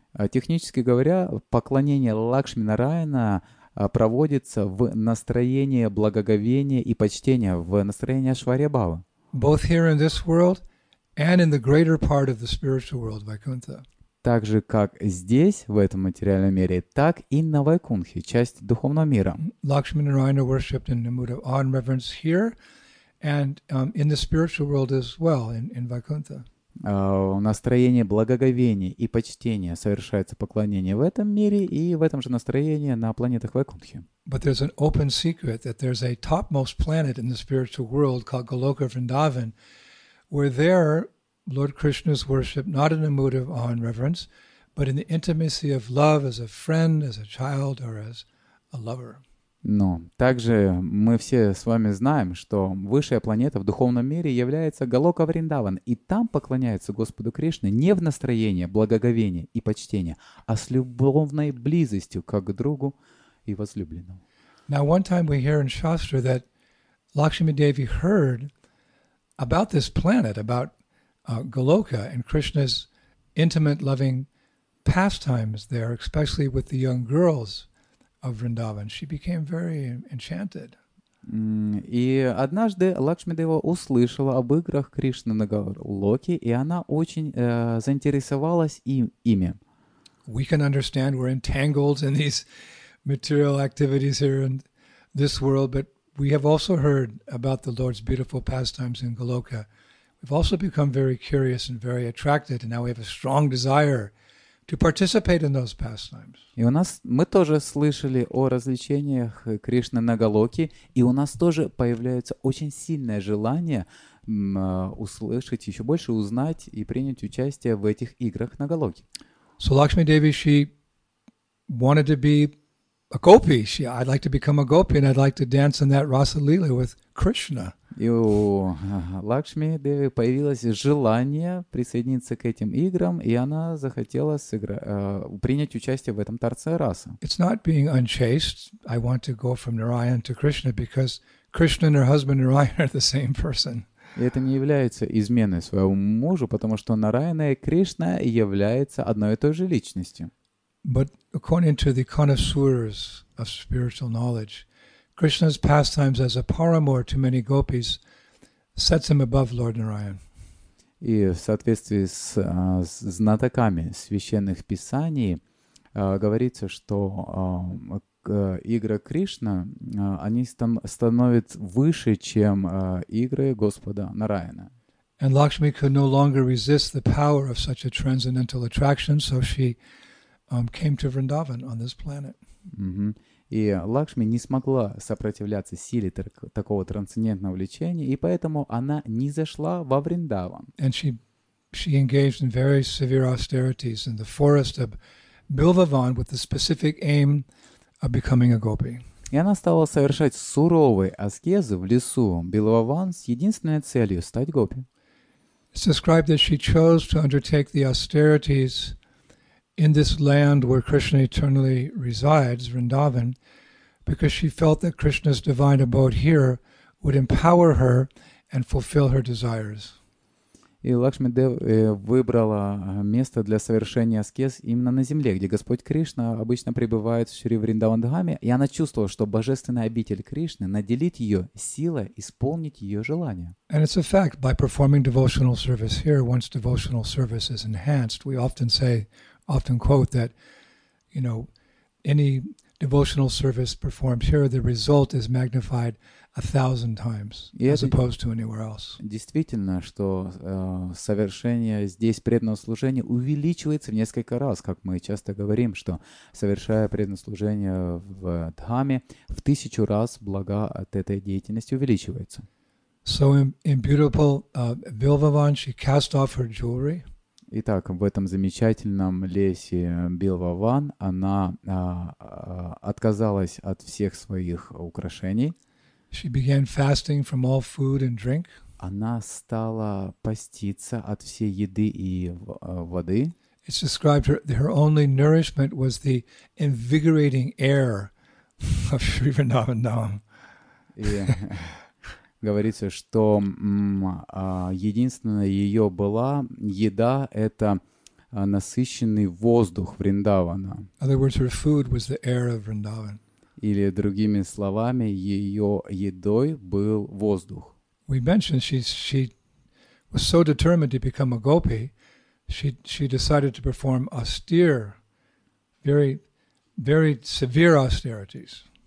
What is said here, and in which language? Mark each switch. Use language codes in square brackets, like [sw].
[ru] Технически говоря, поклонение Лакшми Нараяна проводится в настроении благоговения и почтения, в настроении Айшварья Бхавы. [en] Both here in this world and in the greater part of the spiritual world, Vaikuntha. [ru] Так же, как здесь, в этом материальном мире, так и на Вайкунхе, часть духовного мира. [en] Lakshmi Narayana worshipped in the mood of awe and reverence here and in the spiritual world as well, in Vaikuntha. [ru] Настроение благоговения и почтения совершается поклонение в этом мире и в этом же настроении на планетах Вайкунхе. [en] But there's an open secret that there's a topmost planet in the spiritual world called Goloka Vrindavan, where there Lord Krishna is worshipped not in a mood of awe and reverence, but in the intimacy of love as a friend, as a child, or as a lover. [ru] Но также мы все с вами знаем, что высшая планета в духовном мире является Голока Вриндаван, и там поклоняется Господу Кришне не в настроении благоговения и почтения, а с любовной близостью, как к другу и возлюбленному. [en] Now, one time we hear in Shastra that Lakshmi Devi heard about this planet, about Goloka and Krishna's intimate loving pastimes there, especially with the young girls of Vrindavan. She became very enchanted. [ru] И однажды Лакшми Дева услышала об играх Кришны на Голоке, и она очень заинтересовалась ими. [en] We can understand we're entangled in these material activities here in this world, but we have also heard about the Lord's beautiful pastimes in Goloka. We've also become very curious and very attracted, and now we have a strong desire to participate in those pastimes. [ru] И у нас мы тоже слышали о развлечениях Кришны на Голоке, и у нас тоже появляется очень сильное желание услышать еще больше, узнать и принять участие в этих играх на Голоке. [en] So Lakshmi Devi, she wanted to be a gopi. I'd like to become a gopi, and I'd like to dance in that Rasa Lila with Krishna. [ru] И у Лакшми Деви появилось желание присоединиться к этим играм, и она захотела принять участие в этом торце расы. [en] It's not being unchaste. I want to go from Narayan to Krishna because Krishna and her husband Narayan are the same person. [ru] И это не является изменой своему мужу, потому что Нараяна и Кришна являются одной и той же личностью. [en] But according to the connoisseurs of spiritual knowledge, Krishna's pastimes as a paramour to many gopis sets him above Lord Narayan. [ru] И в соответствии с знатоками священных писаний говорится, что игры Кришна, они становятся выше, чем игры Господа Нараяна. [en] And Lakshmi could no longer resist the power of such a transcendental attraction, so she came to Vrindavan on this planet. Mm-hmm. [ru] И Лакшми не смогла сопротивляться силе такого трансцендентного влечения, и поэтому она не зашла во Вриндаван. [en] And she engaged in very severe austerities in the forest of Bilvavan with the specific aim of becoming a gopi. [ru] И она стала совершать суровые аскезы в лесу Бильваван с единственной целью — стать гопи. [en] It's described that she chose to undertake the austerities in this land where Krishna eternally resides, Vrindavan, because she felt that Krishna's divine abode here would empower her and fulfill her desires. [ru] И Лакшми выбрала место для совершения аскез именно на земле, где Господь Кришна обычно пребывает в Шри Вриндавандхаме, и она чувствовала, что божественный обитель Кришны наделит ее силой исполнить ее желание. [en] And it's a fact, by performing devotional service here, once devotional service is enhanced, we often say, often quote that, you know, any devotional service performed here, the result is magnified 1,000 times, as opposed to anywhere else. [ru] Действительно, что совершение здесь преданного служения увеличивается в несколько раз, как мы часто говорим, что совершая преданное служение в Дхаме, в 1000 раз блага от этой деятельности увеличивается. [en] So in beautiful Bilvavan, she cast off her jewelry. [ru] Итак, в этом замечательном лесе Бильваван она отказалась от всех своих украшений. [en] She began fasting from all food and drink. [ru] Она стала поститься от всей еды и воды. [en] It's described her only nourishment was the invigorating air of Sri Vrindavan Dham. [ru] Говорится, что единственная ее была еда — это насыщенный воздух Вриндавана. [en] In other words, her food was the air of Vrindavan. [ru] Или другими словами, ее едой был воздух. [en] We mentioned she was so determined to become a gopi, she decided to perform austere, very, very severe austerities.